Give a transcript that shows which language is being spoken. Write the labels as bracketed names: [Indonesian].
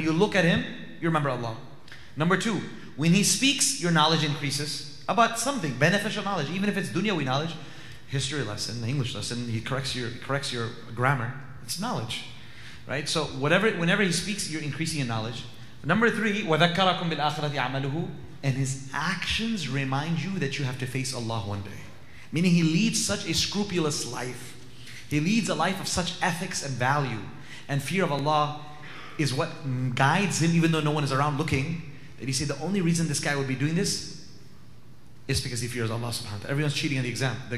[English] When you look at him, you remember Allah. Number two, when he speaks, your knowledge increases about something, beneficial knowledge, even if it's dunyawi knowledge, history lesson, English lesson, he corrects your grammar, it's knowledge. Right? So whenever he speaks, you're increasing in knowledge. Number three, [Arabic] وَذَكَّرَكُمْ بِالْآخِرَةِ عَمَلُهُ. [English] And his actions remind you that you have to face Allah one day. Meaning he leads such a scrupulous life. He leads a life of such ethics and value. And fear of Allah is what guides him, even though no one is around looking. That he said the only reason this guy would be doing this is because he fears Allah subhanahu wa ta'ala. Everyone's cheating on the exam.